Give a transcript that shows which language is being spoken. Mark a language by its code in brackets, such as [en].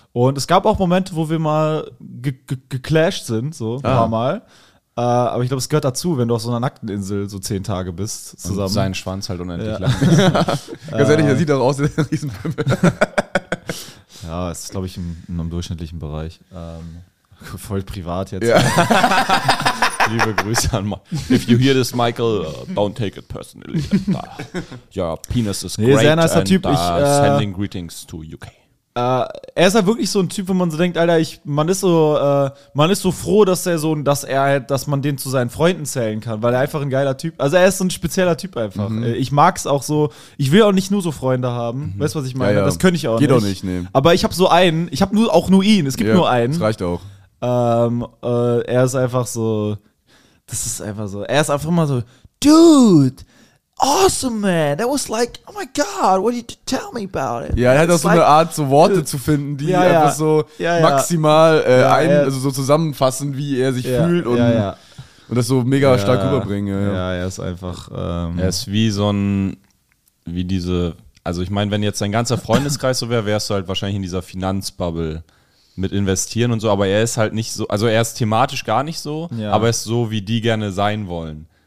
[de] Und es gab auch Momente, wo wir mal geclashed sind, so ein paar Mal. Aber ich glaube, es gehört dazu, wenn du auf so einer nackten Insel so 10 Tage bist zusammen. Und seinen Schwanz halt unendlich lang. Ganz ehrlich, der sieht doch aus wie ein Riesenpimmel. Ja, es ist, glaube ich, in einem durchschnittlichen Bereich. Voll privat jetzt. Ja. Liebe Grüße an Michael. [en] If you hear this, Michael, don't take it personally. Your penis is great. [de] Sehr nicer Typ. [en] Sending greetings to UK. [de] Er ist halt wirklich so ein Typ, wo man so denkt, Alter, man ist so froh, dass man den zu seinen Freunden zählen kann, weil er einfach ein geiler Typ. Also er ist so ein spezieller Typ einfach. Mhm. Ich mag's auch so. Ich will auch nicht nur so Freunde haben. Mhm. Weißt du, was ich meine? Ja, ja. Das könnte ich auch Geht nicht. Geht auch nicht, nee. Aber ich habe nur einen. Es gibt nur einen. Das reicht auch. Er ist einfach so, das ist einfach so, er ist einfach immer so, [en] dude, awesome, man. That was like, oh my God, what did you tell me about it? [de] Ja, er hat auch so like, eine Art, so Worte zu finden, die so zusammenfassen, wie er sich fühlt und das so mega stark rüberbringen. Er ist einfach, Er ist wie so ein, wie diese, also ich meine, wenn jetzt dein ganzer Freundeskreis so wäre, wärst du halt wahrscheinlich in dieser Finanzbubble mit investieren und so, aber er ist halt nicht so, also er ist thematisch gar nicht so, aber er ist so, wie die gerne sein wollen.